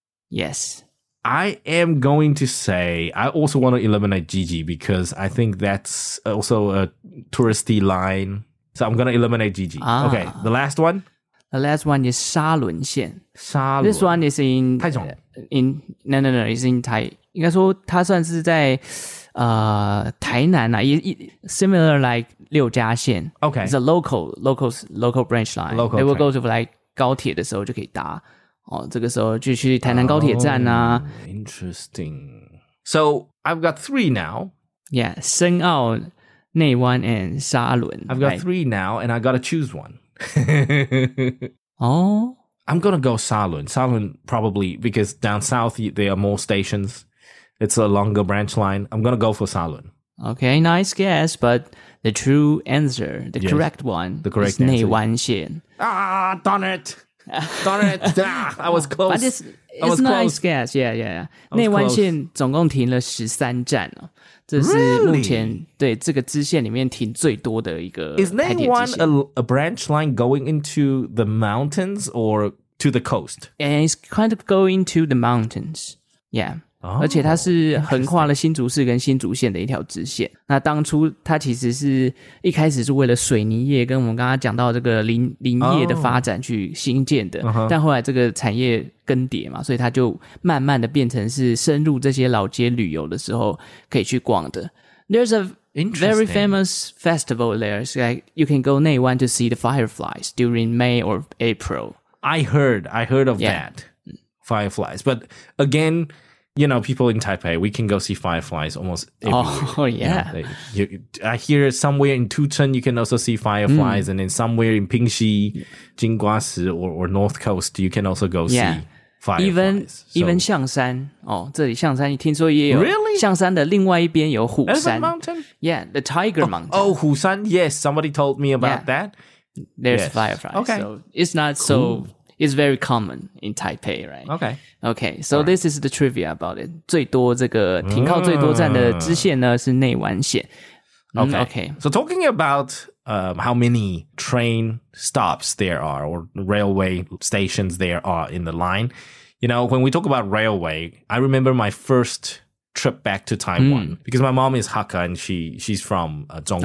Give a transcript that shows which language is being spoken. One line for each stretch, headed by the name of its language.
English: Yes. I am going to say, I also want to eliminate Gigi because I think that's also a touristy line. So I'm going to eliminate Gigi.、 Ah, okay, the last one? The last one is 沙轮线. 沙轮. This one is in... 台中. No, it's in Tai.
Chinese: 应该说它算是在、台南、啊、
English: similar like
Chinese: 六家线.
English: Okay. It's a local branch line. Local They will go to like
Chinese: 高铁的时候就可以搭。哦，这个时候就去台南高铁站啊。
English: Oh, interesting. So I've got three now. Yeah, 深澳、内湾 and 沙轮。 I've got three now, and I got to choose one. Oh, I'm gonna go 沙轮. 沙轮 probably because down south there are more stations. It's a longer branch line. I'm gonna go for 沙轮. Okay, nice guess, but the true answer, the yes, correct one, the correct is 内湾线. Ah, darn it! Darn it! Ah, I was close. But it's a nice guess. Yeah, yeah, yeah.
Chinese: 内湾线总共停了十三站哦，这是目前、
English: really?
Chinese: 对这个支线里面停最多的一个台铁支线。
English: Is 内湾 a branch line going into the mountains or to the coast? And it's kind of going to the mountains. Yeah. Oh,
Chinese: 而且它是横跨了新竹市跟新竹县的一条支线。那当初它其实是一开始是为了水泥业跟我们刚刚讲到这个林业的发展去新建的、
English: oh, uh-huh.
Chinese: 但后来这个产业更迭嘛，所以它就慢慢的变成是深入这些老街旅游的时候可以去逛的。
English: There's a very famous festival there. It's like you can go 内湾 to see the fireflies during May or April. I heard of、yeah. that fireflies, but againYou know, people in Taipei, we can go see fireflies almost everywhere. Oh, yeah. You know, I hear somewhere in Tuchun, you can also see fireflies.、Mm. And then somewhere in Pingxi, Jingguasi, or North Coast, you can also go see、 yeah. fireflies. Even Xiangshan.
Chinese: Oh, 这里象山你听说也有。
English: Really?
Chinese: 象山的另外一边有虎山。
English: Elephant Mountain? Yeah, the Tiger Mountain. Oh, 虎山. Yes, somebody told me about、yeah. that. There's、yes. fireflies. Okay. So it's not、cool. so... It's very common in Taipei, right? Okay. Okay, so、right. this is the trivia about it.
Chinese: 最多这个停靠最多站的支线呢是内湾线。
English: Okay. Okay. So talking about、how many train stops there are or railway stations there are in the line, you know, when we talk about railway, I remember my first trip back to Taiwan、mm. because my mom is Hakka and she's from、Zhongli.